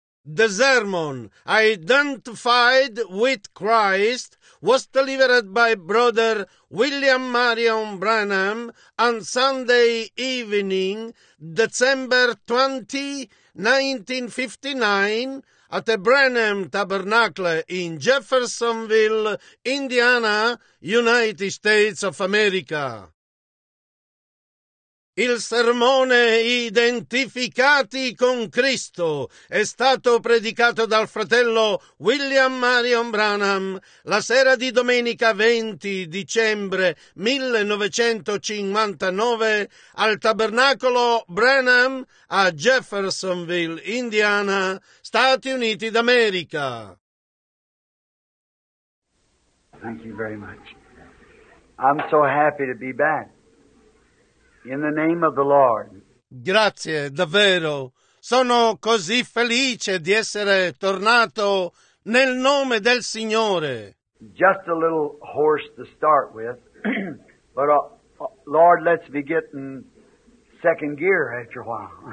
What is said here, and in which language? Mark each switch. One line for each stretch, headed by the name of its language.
English: The sermon, Identified with Christ, was delivered by Brother William Marion Branham on Sunday evening, December 20, 1959, at the Branham Tabernacle in Jeffersonville, Indiana, United States of America.
Italian: Il sermone Identificati con Cristo è stato predicato dal fratello William Marion Branham la sera di domenica 20 dicembre 1959 al Tabernacolo Branham a Jeffersonville, Indiana, Stati Uniti d'America.
English: Thank you very much. I'm so happy to be back. In the name of the Lord.
Italian: Grazie, davvero. Sono così felice di essere tornato nel nome del Signore.
English: Just a little horse to start with, but Lord, let's be getting second gear after a while.